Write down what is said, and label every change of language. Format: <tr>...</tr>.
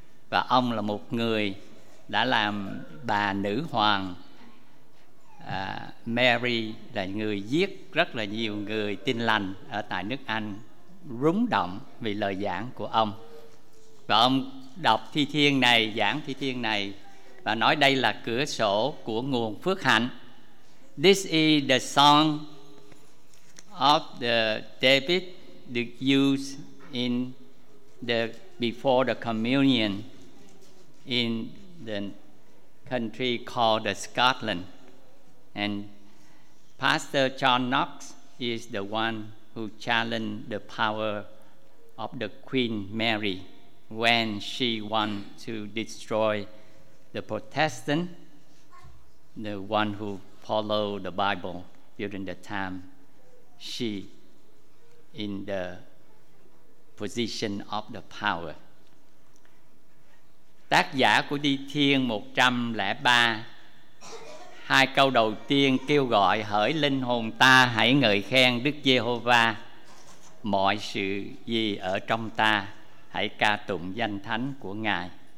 <vi>Và ông là một người đã làm bà nữ hoàng Mary, là người giết rất là nhiều người tin lành ở tại nước Anh, rúng động vì lời giảng của ông. Và ông đọc Thi Thiên này, giảng Thi Thiên này, và nói đây là cửa sổ của nguồn phước hạnh.</vi> <en>This is the song of the David that used in the before the communion in the country called the Scotland. And Pastor John Knox is the one who challenged the power of the Queen Mary when she wanted to destroy the Protestant, the one who followed the Bible during the time she in the position of the power.</en> <vi>Tác giả của Thi Thiên 103, hai câu đầu tiên kêu gọi: hỡi linh hồn ta, hãy ngợi khen Đức Giê-hô-va, mọi sự gì ở trong ta, hãy ca tụng danh thánh của Ngài.</vi>